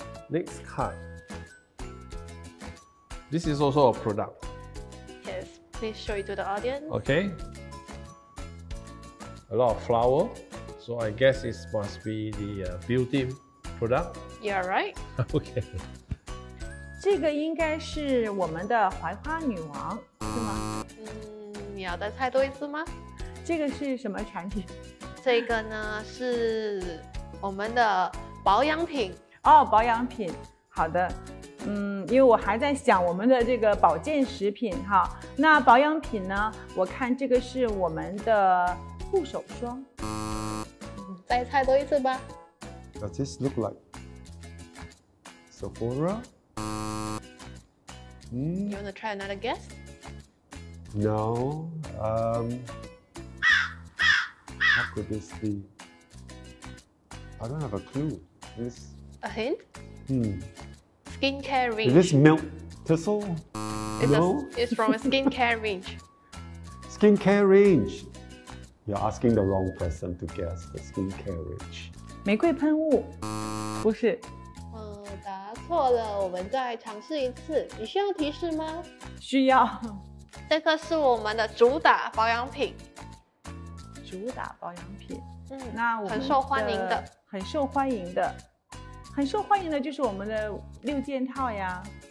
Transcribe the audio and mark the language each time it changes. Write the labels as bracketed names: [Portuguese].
[English] Next card. This is also a product. Yes, please show it to the audience. Okay. A lot of flour. So I guess it must be the beauty product. Yeah, right. Okay. [Chinese] 这个应该是我们的槐花女王，是吗？你要再猜多一次吗？这个是什么产品？这个呢是我们的保养品。哦，保养品，好的。因为我还在想我们的这个保健食品哈。那保养品呢？我看这个是我们的护手霜。再猜多一次吧。 [English] Does this look like Sephora? You want to try another guess? No, how could this be? I don't have a clue. This... A hint? Skincare range. Is this Milk Thistle? No? It's from a skincare range. Skincare range? You're asking the wrong person to guess the skincare range. [Chinese] 玫瑰喷雾不是答错了，我们再尝试一次。你需要提示吗？需要。这个是我们的主打保养品，主打保养品，那我们很受欢迎的，很受欢迎的，很受欢迎的就是我们的六件套呀，